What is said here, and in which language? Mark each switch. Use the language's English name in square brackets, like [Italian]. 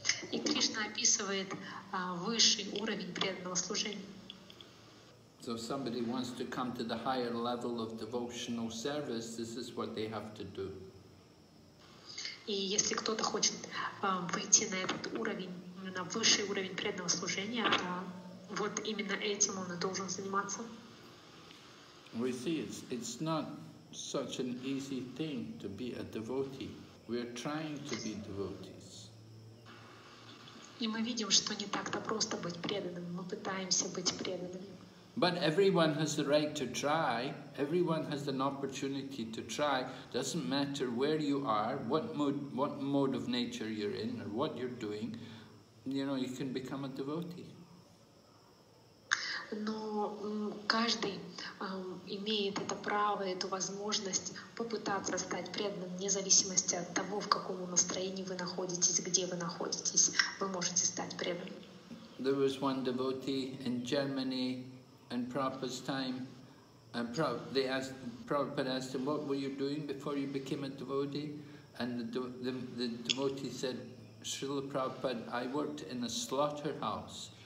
[Russian] И Кришна описывает высший уровень преданного служения. [English] So somebody wants to come to the higher level of devotional service, this is what they have to do. [Russian] И если кто-то хочет выйти на этот уровень, на высший уровень преданного служения, то вот именно этим он и должен заниматься. [English] We see it's not such an easy thing to be a devotee. We are trying to be devotees. [Russian] И мы видим, что не так-то просто быть преданным. Мы пытаемся быть преданными. [English] But everyone has the right to try, everyone has an opportunity to try, doesn't matter where you are, what mode of nature you're in, or what you're doing, you know, you can become a devotee. [Russian] Но каждый имеет это право, эту возможность попытаться стать преданным, вне зависимости от того, в каком настроении вы находитесь, где вы находитесь, вы можете стать преданным. [English] There was one devotee in Germany. And Prabhupada's time, Prabhupada asked him, what were you doing before you became a devotee? And the devotee said, Srila Prabhupada, I worked in a slaughterhouse.